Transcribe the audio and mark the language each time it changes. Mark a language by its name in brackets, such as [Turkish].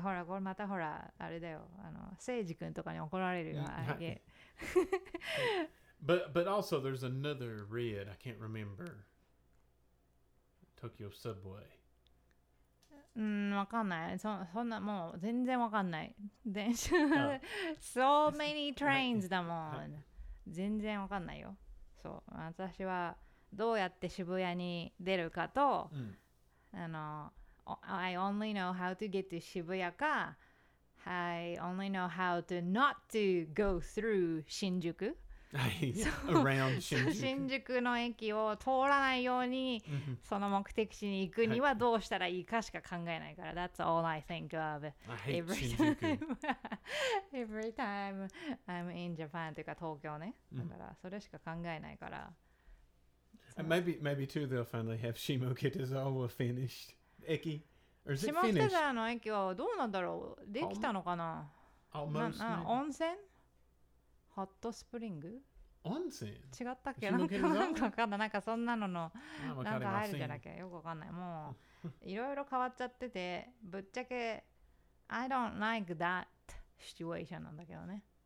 [Japanese] ほら、これまたほら、あれだよ。あの、聖司君とかに怒られるよ。はい。 [English] but also there's another red I can't remember Tokyo subway [Japanese] わかんない そんなもう全然わかんない電車、 [English] so many trains [Japanese] だもん全然わかんないよそう私はどうやって渋谷に出るかと、うん、 [English] あの I only know how to get to 渋谷かI only know how to not to go through Shinjuku. Around Shinjuku. [Japanese] 新宿の駅を通らないように、その目的地に行くにはどうしたらいいかしか考えないから。 [English] That's all I think of. I hate every Shinjuku. every time I'm in Japan, [Japanese] というか東京ね。だからそれしか考えないから。 [English] And maybe too they'll finally have Shimokitazawa finished. 駅 [Japanese] 下北沢の駅はどうなんだろうできたのかな温泉ホットスプリング温泉違ったっけ、なんかわかんない、なんかそんなののなんか入るじゃなきゃよくわかんない、もういろいろ変わっちゃってて、ぶっちゃけ [English] I don't like that situation [Japanese] なんだけどね。